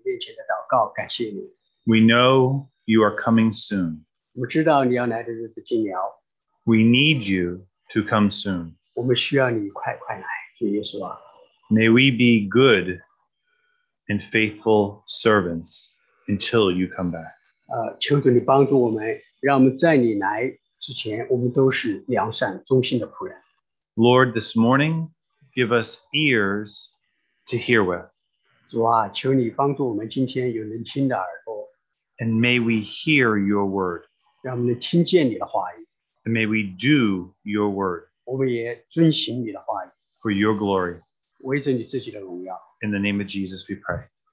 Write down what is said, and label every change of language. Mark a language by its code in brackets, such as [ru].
[zh] 我们也为这今天你的圣徒在你面前的祷告感谢你。 [en] We know you are coming soon. [zh] 我知道你要来的日子近了。 [en] We need you to come soon. [zh] 我们需要你快快来, 主耶稣啊。 [en] May we be good and faithful servants until you come back. [zh] 求主你帮助我们, 让我们在你来之前, 我们都是良善忠心的仆人。 [en] Lord, this morning, give us ears to hear with. [zh] 主啊, 求你帮助我们, 今天有人听的耳朵。 [en] And may we hear your word. [zh] 让我们听见你的话语。 [en] And may we do your word for your glory. In the name of Jesus, we pray.